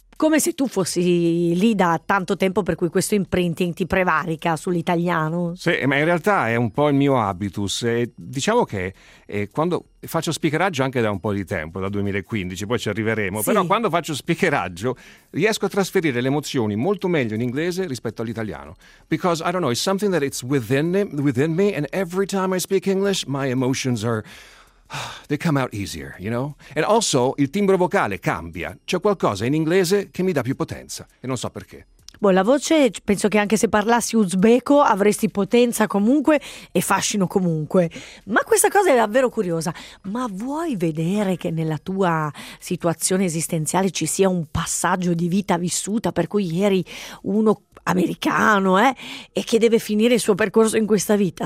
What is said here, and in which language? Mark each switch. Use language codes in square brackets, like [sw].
[it] Come se tu fossi lì da tanto tempo, per cui questo imprinting ti prevarica sull'italiano. Sì, ma in realtà è un po' il mio habitus. E diciamo che quando faccio speakeraggio anche da un po' di tempo, dal 2015, poi ci arriveremo, sì. Però quando faccio speakeraggio riesco a trasferire le emozioni molto meglio in inglese rispetto all'italiano. [en] Because, I don't know, it's something that it's within me and every time I speak English my emotions are... They come out easier, you know? And also, [it] il timbro vocale cambia. C'è qualcosa in inglese che mi dà più potenza. E non so perché. Boh, la voce, penso che anche se parlassi uzbeko avresti potenza comunque e fascino comunque. Ma questa cosa è davvero curiosa. Ma vuoi vedere che nella tua situazione esistenziale ci sia un passaggio di vita vissuta per cui eri uno americano, e che deve finire il suo percorso in questa vita?